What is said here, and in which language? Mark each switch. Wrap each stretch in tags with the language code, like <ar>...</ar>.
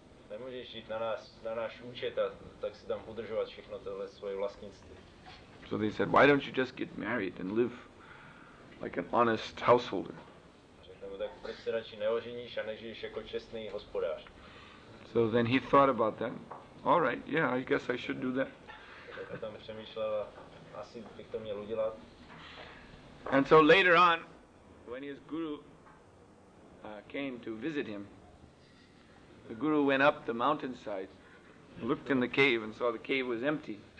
<cs>Nemůžeš žít na nás, na náš účet a tak si tam udržovat všechno tohle svoje vlastnictví.</cs> <en>So they said, "Why don't you just get married and live like an honest householder?"</en> <cs>Řekneme, tak proč se radši neoženíš a nežiješ jako čestný hospodář?</cs> <en>So then he thought about that. All right, yeah, I guess I should do that.</en> <cs>Tak a tam přemýšlel, asi bych to měl udělat.</cs> <en>And so later on, when his guru came to visit him, the guru went up the mountainside, looked in the cave, and saw the cave was empty.</en>